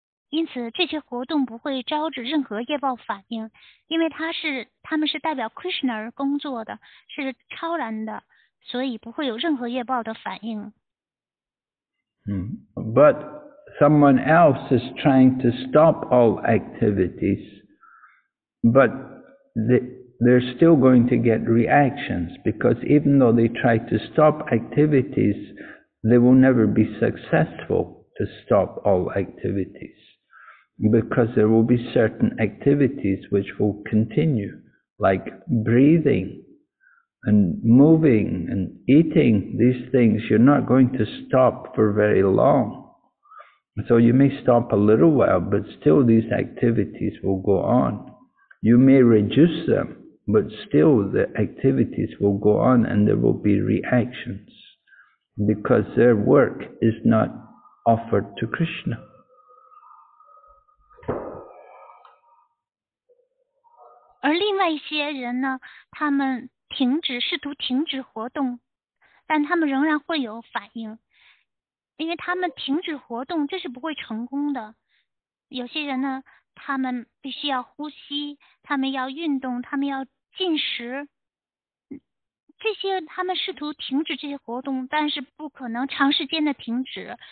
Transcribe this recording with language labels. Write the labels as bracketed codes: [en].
[zh] 因此，这些活动不会招致任何业报反应，因为他们是代表 Krishna 而工作的，是超然的，所以不会有任何业报的反应。 [en] But someone else is trying to stop all activities, but they're still going to get reactions because even though they try to stop activities, they will never be successful to stop all activities. Because there will be certain activities which will continue, like breathing and moving and eating. These things you're not going to stop for very long. So you may stop a little while, but still these activities will go on. You may reduce them, but still the activities will go on and there will be reactions because their work is not offered to Krishna. [zh] 而另外一些人呢，他们停止试图停止活动，但他们仍然会有反应，因为他们停止活动这是不会成功的。有些人呢，他们必须要呼吸，他们要运动，他们要进食，这些他们试图停止这些活动，但是不可能长时间的停止。